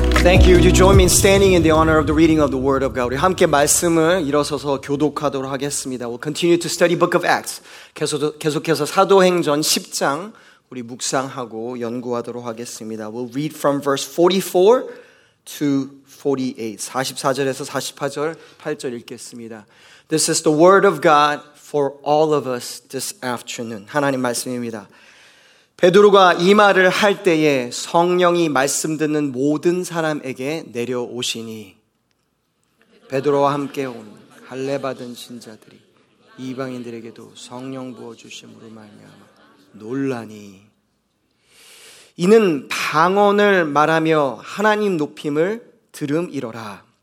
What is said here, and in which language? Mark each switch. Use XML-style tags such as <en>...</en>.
<en>Okay, would you join me in standing in the honor of the reading of the Word of God?</en> <ko>우리 함께 말씀을 일어서서 교독하도록 하겠습니다.</ko> <en>We'll continue to study Book of Acts.</en> <ko>계속해서 사도행전 10장 우리 묵상하고 연구하도록 하겠습니다.</ko> <en>We'll read from verse 44 to 48.</en> <ko>44절에서 48절, 8절 읽겠습니다.</ko> <en>This is the Word of God for all of us this afternoon.</en> <ko>하나님 말씀입니다. 베드로가 이 말을 할 때에 성령이 말씀 듣는 모든 사람에게 내려오시니 베드로와 함께 온 할례 받은 신자들이 이방인들에게도 성령 부어주심으로 말미암아 놀라니 이는 방언을 말하며 하나님 높임을 들음이러라.</ko>